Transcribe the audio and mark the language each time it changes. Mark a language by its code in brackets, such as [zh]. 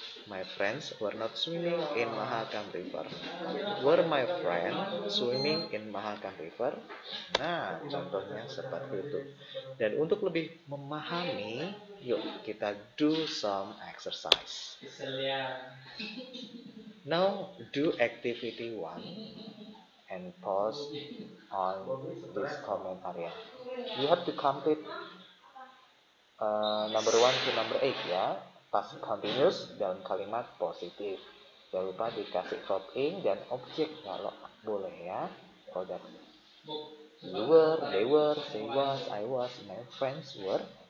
[en] My friends were not swimming in Mahakam River. Were my friend swimming in Mahakam River? [id] Nah, contohnya seperti itu. Dan untuk lebih memahami, yuk kita [en] do some exercise. Now do activity 1 and pause on this comment area. You have to complete number 1 to number 8 ya. [id] Past continuous dan kalimat positif. Jangan lupa dikasih verb-ing dan objek kalau boleh ya. Kalau [en] you were, they were, she was, I was, my friends were.